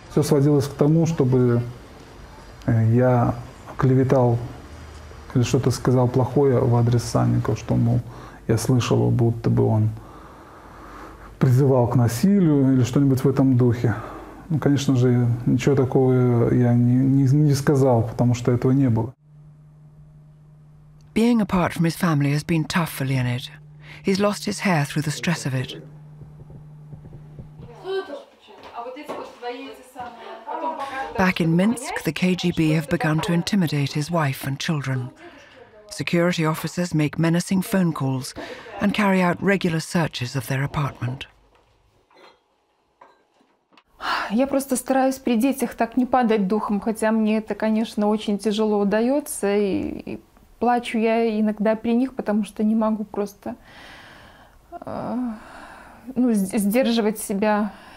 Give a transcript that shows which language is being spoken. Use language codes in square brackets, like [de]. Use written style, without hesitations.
[ru] Все сводилось к тому, чтобы я клеветал или что-то сказал плохое в адрес Санникова, что, мол, я слышал, будто бы он призывал к насилию или что-нибудь в этом духе. Ну, конечно же, ничего такого я не сказал, потому что этого не было. [en] Being apart from his family has been tough for Leonid. He's lost his hair through the stress of it. Back in Minsk, the KGB have begun to intimidate his wife and children. Security officers make menacing phone calls and carry out regular searches of their apartment. [ru] Я просто стараюсь при детях так не падать духом, хотя мне это, конечно, очень тяжело удается. И плачу я иногда при них, потому что не могу просто сдерживать себя.